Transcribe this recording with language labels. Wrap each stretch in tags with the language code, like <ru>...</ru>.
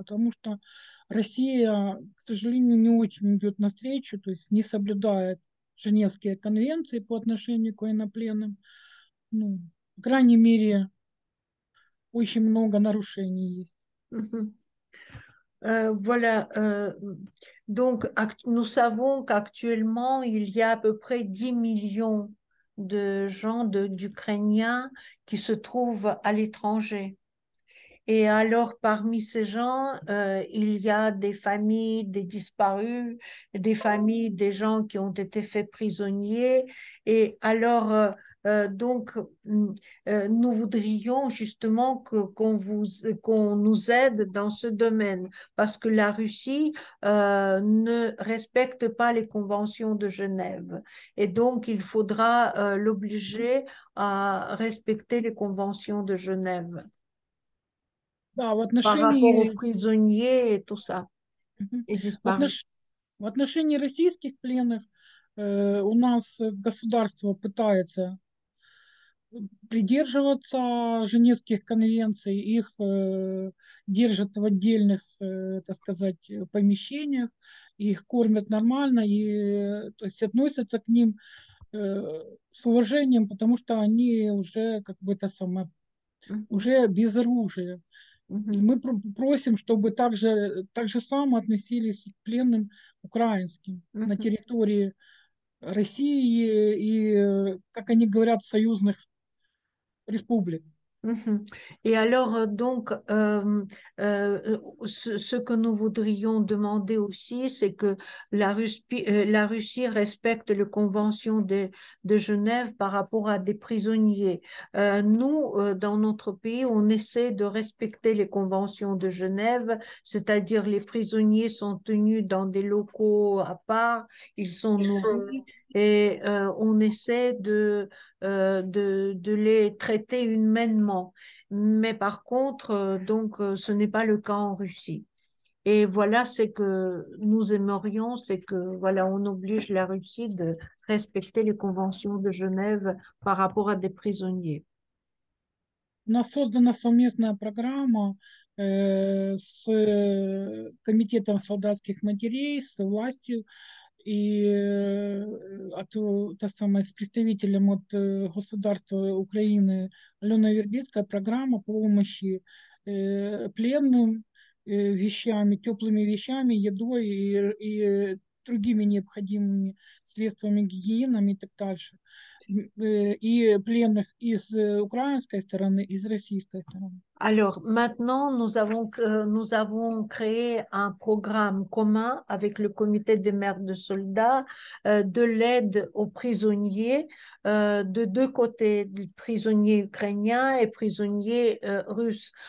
<ru>Потому что Россия, к сожалению, не очень идет навстречу, то есть не соблюдает Женевские конвенции по отношению к военнопленным. Ну, по крайней мере, очень много нарушений есть.</ru> <fr>Voilà, donc nous savons qu'actuellement il y a à peu près 10 millions de gens d'Ukrainiens qui se trouvent à l'étranger. Et alors parmi ces gens, il y a des familles, des disparus, des familles, des gens qui ont été faits prisonniers. Et alors, nous voudrions justement qu'on nous aide dans ce domaine, parce que la Russie ne respecte pas les conventions de Genève. Et donc, il faudra l'obliger à respecter les conventions de Genève.</fr> <ru>Да, в отношении российских пленных у нас государство пытается придерживаться Женевских конвенций, их держат в отдельных, так сказать, помещениях, их кормят нормально, и то есть относятся к ним с уважением, потому что они уже как бы это самое, уже без оружия. И мы просим, чтобы так же само относились к пленным украинским на территории России и, как они говорят, союзных республик.</ru> <fr>Et alors, donc, ce que nous voudrions demander aussi, c'est que la Russie respecte les conventions de Genève par rapport à des prisonniers. Nous, dans notre pays, on essaie de respecter les conventions de Genève, c'est-à-dire les prisonniers sont tenus dans des locaux à part, ils sont nourris. Et on essaie de les traiter humainement. Mais par contre, ce n'est pas le cas en Russie. Et voilà ce que nous aimerions, c'est que voilà, on oblige la Russie de respecter les conventions de Genève par rapport à des prisonniers.</fr> <ru>У нас создана совместная программа с Комитетом солдатских матерей, с властью и с представителем от государства Украины Алена Вербицкая, программа помощи пленным вещами, теплыми вещами, едой и другими необходимыми средствами, гигиенами и так дальше. И пленных из украинской стороны, из российской стороны.</ru> <fr>Alors, maintenant, nous avons créé un programme commun avec le comité des mères de soldats de l'aide aux prisonniers de deux côtés, prisonniers ukrainiens et prisonniers russes.</fr>